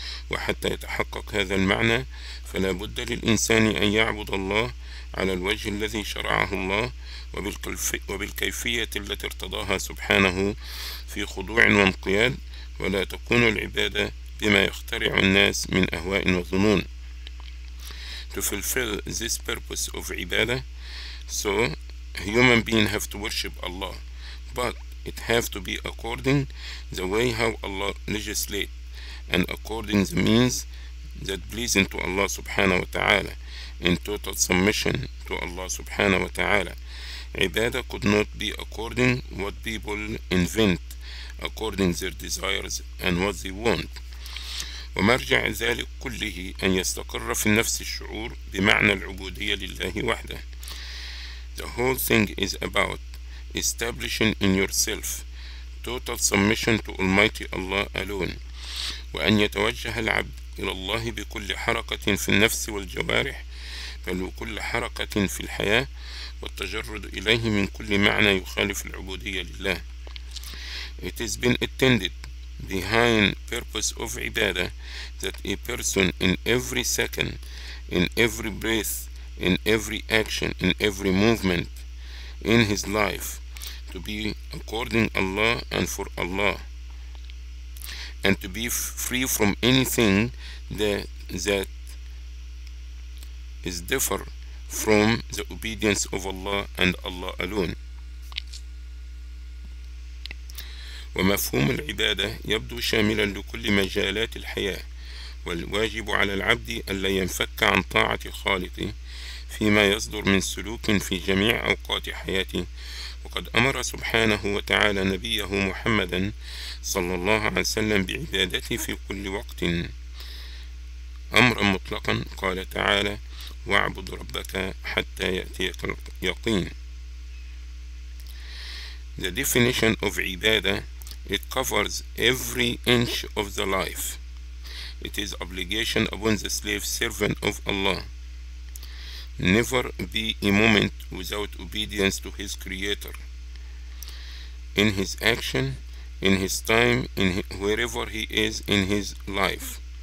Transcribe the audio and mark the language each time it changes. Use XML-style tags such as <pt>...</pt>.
<ar>وحتى يتحقق هذا المعنى فلا بد للإنسان أن يعبد الله على الوجه الذي شرعه الله وبالكيفية التي ارتضاها سبحانه في خضوع وانقياد، ولا تكون العبادة بما يخترع الناس من أهواء وظنون.</ar> <en>To fulfill this purpose of عبادة, so human beings have to worship Allah, but it has to be according the way how Allah legislates and according the means that pleasing to Allah</en> <ar>سبحانه وتعالى</ar> <en>in total submission to Allah سبحانه وتعالى. عبادة could not be according what people invent according their desires and what they want.</en> <ar>ومرجع ذلك كله أن يستقر في النفس الشعور بمعنى العبودية لله وحده.</ar> <en>The whole thing is about establishing in yourself total submission to Almighty Allah alone.</en> <ar>وأن يتوجه العبد إلى الله بكل حركة في النفس والجوارح بل وكل حركة في الحياة، والتجرد إليه من كل معنى يخالف العبودية لله.</ar> <en>It has been intended behind purpose of عبادة that a person in every second, in every breath, in every action, in every movement in his life to be according Allah and for Allah, and to be free from anything that is differ from the obedience of Allah and Allah alone.</en> <ar>ومفهوم العبادة يبدو شاملا لكل مجالات الحياة، والواجب على العبد ألا ينفك عن طاعة خالقه فيما يصدر من سلوك في جميع أوقات حياته. وقد أمر سبحانه وتعالى نبيه محمدا صلى الله عليه وسلم بعبادته في كل وقت أمرا مطلقا، قال تعالى واعبد ربك حتى يأتيك اليقين.</ar> <en>The definition of عبادة: it covers every inch of the life. It is obligation upon the slave servant of Allah. Never be a moment without obedience to his creator in his action, in his time, in wherever he is in his life.</en>